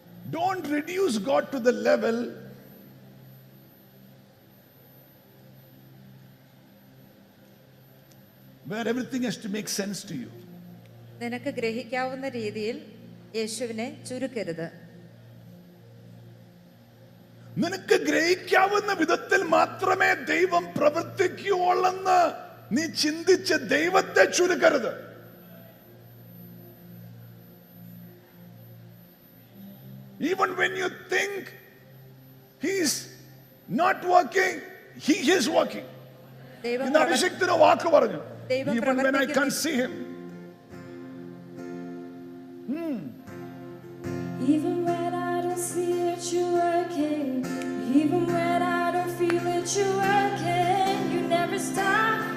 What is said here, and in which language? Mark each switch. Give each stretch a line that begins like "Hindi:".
English: Don't reduce God to the level where everything has to make sense to you.
Malayalam: നിനക്ക് ഗ്രഹിക്കാവുന്ന രീതിയിൽ യേശുവിനെ ചുരുക്കരുത്. നിനക്ക് ഗ്രഹിക്കാവുന്ന വിധത്തിൽ മാത്രമേ ദൈവം പ്രവർത്തിക്കുകയുള്ളെന്ന് നീ ചിന്തിച്ച് ദൈവത്തെ ചുരുക്കരുത്.
English: Even when you think he is not working, he is working.
Malayalam: ഇന്ന് അഭിഷിക്തനോ വാക്ക് പറഞ്ഞു,
English: even when I can't see him. Even when I don't see it, you're working. Even when I don't feel it, you're working.